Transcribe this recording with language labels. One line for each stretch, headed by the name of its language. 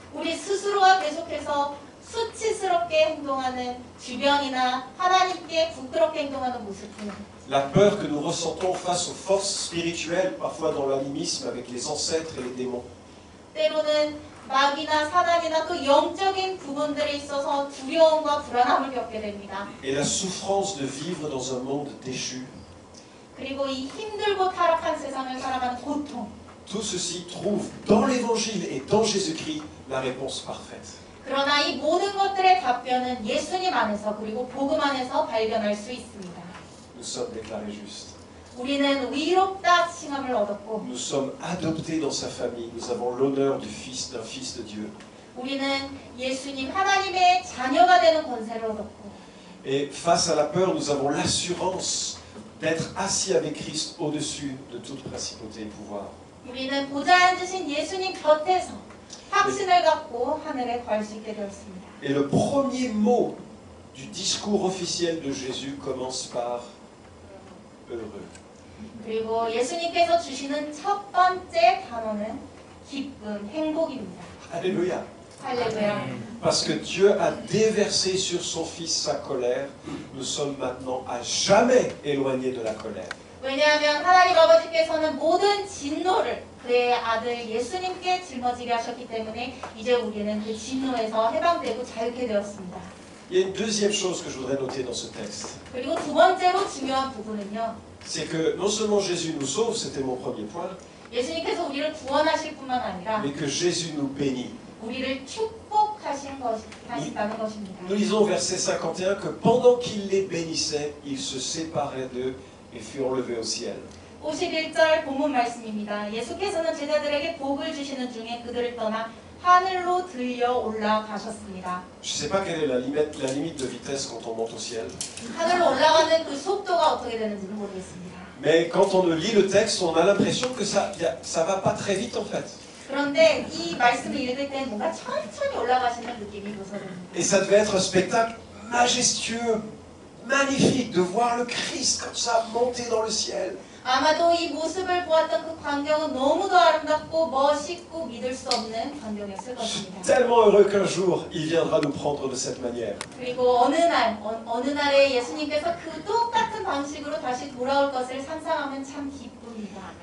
Korean: 우리 스스로가 계속해서 수치스럽게 행동하는 주변이나 하나님께 부끄럽게 행동하는 모습은
French: La peur que nous ressentons face aux forces spirituelles parfois dans l'animisme avec les ancêtres et les démons.
Korean: 때로는 마귀나 사단이나 그 영적인 부분들에 있어서 두려움과 불안함을 겪게 됩니다.
French: Et la souffrance de vivre dans un monde déchu.
Korean: 그리고 이 힘들고 타락한 세상을 살아가는 고통.
French: Tout ceci trouve dans l'évangile et dans Jésus-Christ la réponse parfaite.
Korean: 그러나 이 모든 것들의 답변은 예수님 안에서 그리고 복음 안에서 발견할 수 있습니다.
French: Nous sommes déclarés justes.
Korean: 우리는 의롭다 칭함을 얻었고
French: Nous sommes adoptés dans sa famille. Nous avons l'honneur du fils d'un fils de Dieu.
Korean: 우리는 예수님 하나님의 자녀가 되는 권세를 얻었고
French: Et face à la peur, nous avons l'assurance d'être assis avec Christ au-dessus de toute principauté et pouvoir.
Korean: 우리는 보좌 앉으신 예수님 곁에서 확신을 갖고 하늘에 갈 수 있게 되었습니다.
French: Et le premier mot du discours officiel de Jésus commence par heureux.
Korean: 그리고 예수님께서 주시는 첫 번째 단어는 기쁨, 행복입니다.
French: Alléluia. Alléluia. Parce que Dieu a déversé sur son fils sa colère, nous sommes maintenant à jamais éloignés de la colère.
Korean: 왜냐하면 하나님 아버지께서는 모든 진노를 그의 아들 예수님께 짊어지게 하셨기 때문에 이제 우리는 그 진노에서 해방되고 자유케 되었습니다.
French: Il y a une deuxième chose que je voudrais noter dans ce texte.
Korean: 그리고 두 번째로 중요한 부분은요.
French: C'est que non seulement Jésus nous sauve, c'était mon premier point.
Korean: 예수님께서 우리를 구원하실 뿐만 아니라
French: Mais que Jésus nous bénit.
Korean: 우리를 축복하신 것이다는 것입니다.
French: Nous lisons verset 51 que pendant qu'il les bénissait, il se séparait d'eux et fut enlevé au ciel.
Korean: 51절 본문 말씀입니다. 예수께서는 제자들에게 복을 주시는 중에 그들을 떠나 하늘로 들려 올라가셨습니다.
French: Je sais pas quelle est la limite de vitesse quand on monte au ciel.
Korean: 하늘로 올라가는 그 속도가 어떻게 되는지는 모르겠습니다.
French: Mais quand on lit le texte, on a l'impression que ça va pas très vite en fait.
Korean: 그런데 이 말씀을 읽을 때 뭔가 천천히 올라가시는 느낌이 들었습니다.
French: Et ça devait être un spectacle majestueux, magnifique de voir le Christ comme ça monter dans le ciel.
Korean: 아마도 이 모습을 보았던 그 광경은 너무도 아름답고 멋있고 믿을 수 없는 광경이었을 것입니다.
French: Tellement heureux qu'un jour il viendra nous prendre de cette manière.
Korean: 그리고 어느 날에 예수님께서 그 똑같은 방식으로 다시 돌아올 것을 상상하면 참 기쁩니다.